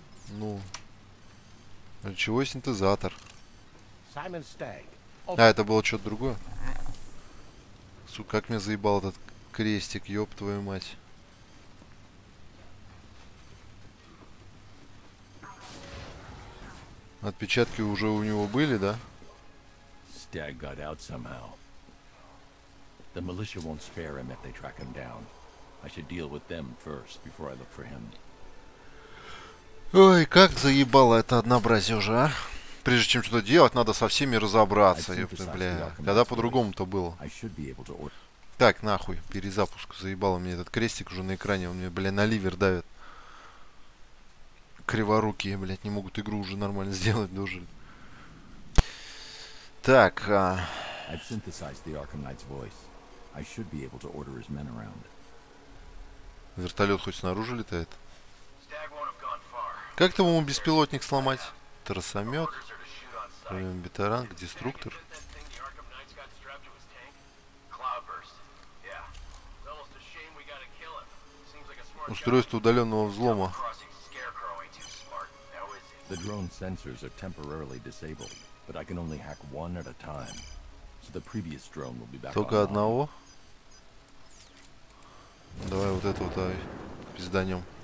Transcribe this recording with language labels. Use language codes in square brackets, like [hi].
[ru] Ноль. Ну. Ключевой синтезатор. А, это было что-то другое? Сука, как меня заебал этот крестик, ёб твою мать. Отпечатки уже у него были, да? [en] Stag got out somehow. The militia won't spare him if they track him down. I should deal with them first before I look for him. [ru] Ой, как заебало это однообразие уже, а? Прежде чем что-то делать, надо со всеми разобраться. Ёпта, бля. Когда по-другому-то было. Так, нахуй, перезапуск. Заебало мне этот крестик уже на экране. Он мне, бля, на ливер давит. Криворукие, блядь, не могут игру уже нормально сделать, даже. [en] Так, I've synthesized the Arkham Knight's voice. I should be able to order his men around. [ru] Вертолет хоть снаружи летает? Как там ему беспилотник сломать? Тросомет? Бетаранг, деструктор? Устройство удаленного взлома. [en] The drone sensors are temporarily disabled, but I can only hack one at a time. So the previous drone will be back. [ru] Только одного? Давай вот это вот, а, пизданем.